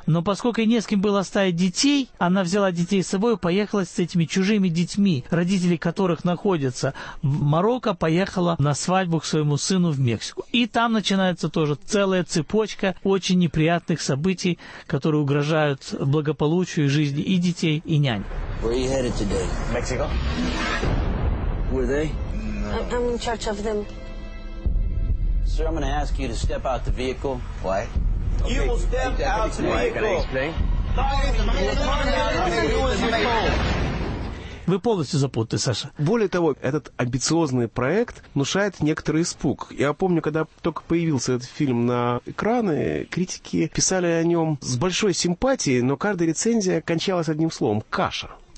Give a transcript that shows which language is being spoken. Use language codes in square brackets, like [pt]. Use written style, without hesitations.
[ru] Но поскольку ей не с кем было оставить детей, она взяла детей с собой, поехала с этими чужими детьми, родители которых находятся в Марокко, поехала на свадьбу к своему сыну в Мексику. И там начинается тоже целая цепочка очень неприятных событий, которые угрожают благополучию и жизни и детей, и нянь. [en] Where are you headed today? Mexico? Were they? No. I'm in charge of them. Sir, I'm going to ask you to step out the vehicle. Why? Okay. You will step out the vehicle. Can I explain? [ru] Вы полностью запутаны, Саша. Более того, этот амбициозный проект внушает некоторый испуг. Я помню, когда только появился этот фильм на экраны, критики писали о нем с большой симпатией, но каждая рецензия кончалась одним словом – каша.